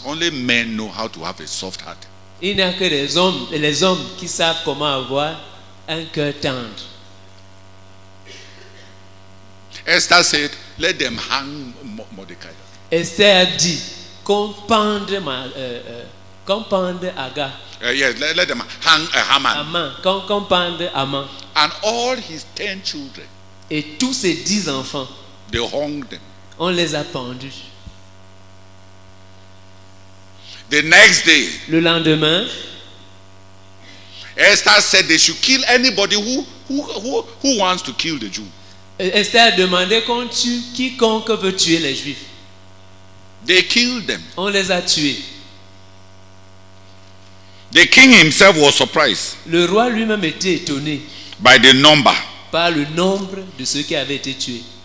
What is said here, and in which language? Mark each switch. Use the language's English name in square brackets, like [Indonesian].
[English] Only men know how to have a soft heart. [French] Il n'y a que les hommes qui savent comment avoir un cœur tendre. [English] Esther said, "Let them hang Mordecai." [French] Esther a dit qu'on pendre Quand pendre Aga. [English] Let them hang Haman. [French] Haman. Quand pendre Haman. [English] And all his 10 children. [French] Et tous ses 10 enfants. [English] They hung them. [French] On les a pendus. [English] The next day. [French] Le lendemain. [English] Esther said they should kill anybody who wants to kill the Jew. [French] Esther a demandé qu'on tue quiconque veut tuer les Juifs. [English] They killed them. [French] On les a tués. [English] The king himself was surprised. [French] Le roi lui-même était étonné. [English] By the number. [French] Par le nombre de ceux qui avaient été tués.